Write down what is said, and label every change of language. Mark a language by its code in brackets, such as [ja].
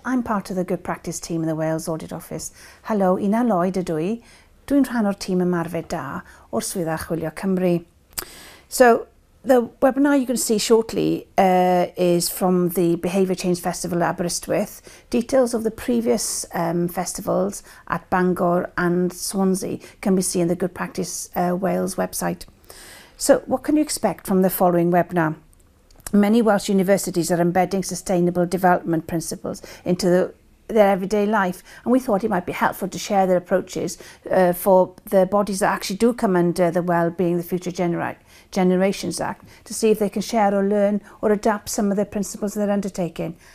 [en] I'm part of the Good Practice team in the Wales Audit Office. [cy] Hello, Ina Lloyd ydw I. Dwi'n rhan o'r tîm ymarfer da o'r Swyddfa Chwilio Cymru. [en] So, the webinar you're going to see shortly is from the Behaviour Change Festival Aberystwyth. Details of the previous festivals at Bangor and Swansea can be seen on the Good Practice Wales website. So, what can you expect from the following webinar? Many Welsh universities are embedding sustainable development principles into their everyday life, and we thought it might be helpful to share their approaches for the bodies that actually do come under the Wellbeing the Future Generations Act to see if they can share or learn or adapt some of the principles they're undertaking.